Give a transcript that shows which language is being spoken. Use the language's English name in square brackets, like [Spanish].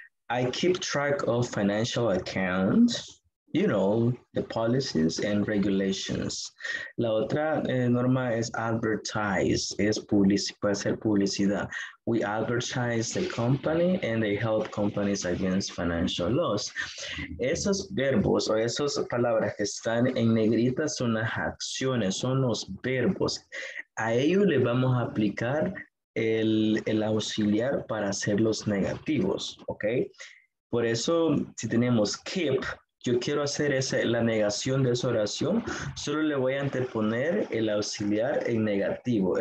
[English] I keep track of financial accounts, you know, the policies and regulations. [Spanish] La otra norma es advertise, es puede ser publicidad. [English] We advertise the company and they help companies against financial loss. [Spanish] Esos verbos o esas palabras que están en negrita son las acciones, son los verbos. A ellos les vamos a aplicar el auxiliar para hacer los negativos, ¿ok? Por eso, si tenemos keep, yo quiero hacer la negación de esa oración, solo le voy a anteponer el auxiliar en negativo.